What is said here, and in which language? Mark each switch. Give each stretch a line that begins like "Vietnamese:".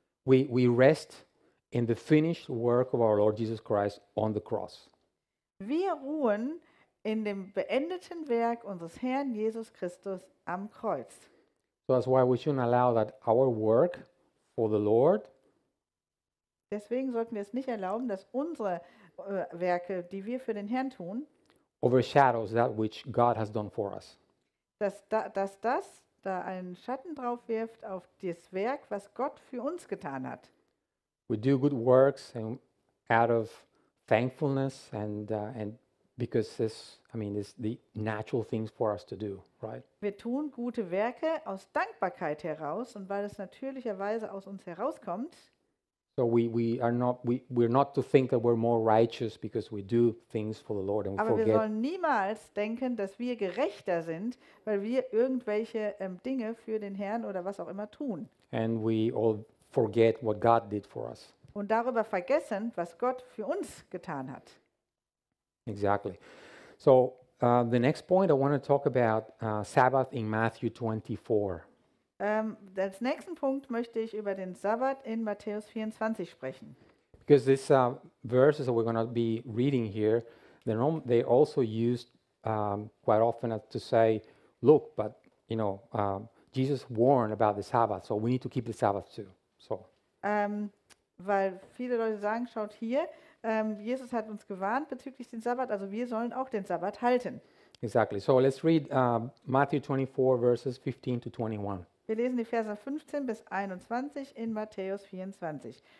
English: We rest in the finished work of our Lord Jesus Christ on the cross.
German: Wir ruhen in dem beendeten Werk unseres Herrn Jesus Christus am Kreuz.
English: So that's why we shouldn't allow that our work for the Lord.
German: Deswegen sollten wir es nicht erlauben, dass unsere Werke, die wir für den Herrn tun,
English: overshadows that which God has done for us.
German: Dass das da einen Schatten drauf wirft auf das Werk, was Gott für uns getan hat.
English: We do good works and out of thankfulness and because this, I mean, this the natural things for us to do, right?
German: Wir tun gute Werke aus Dankbarkeit heraus und weil es natürlicherweise aus uns herauskommt.
English: So we're not to think that we're more righteous because we do things for the Lord and we forget.
German: Aber wir sollen niemals denken, dass wir gerechter sind, weil wir irgendwelche Dinge für den Herrn oder was auch immer tun.
English: And we all forget what God did for us.
German: Und darüber vergessen, was Gott für uns getan hat.
English: Exactly. So the next point I want to talk about Sabbath in Matthew 24.
German: Als nächsten Punkt möchte ich über den Sabbat in Matthäus 24 sprechen.
English: Because these verses that we're going to be reading here, they also used quite often to say, look, but you know, Jesus warned about the Sabbath, so we need to keep the Sabbath too. So.
German: Weil viele Leute sagen, schaut hier, Jesus hat uns gewarnt bezüglich den Sabbat, also wir sollen auch den Sabbat halten.
English: Exactly. So let's read Matthew 24 verses 15 to 21.
German: Wir lesen die Verse 15 bis 21 in Matthäus 24.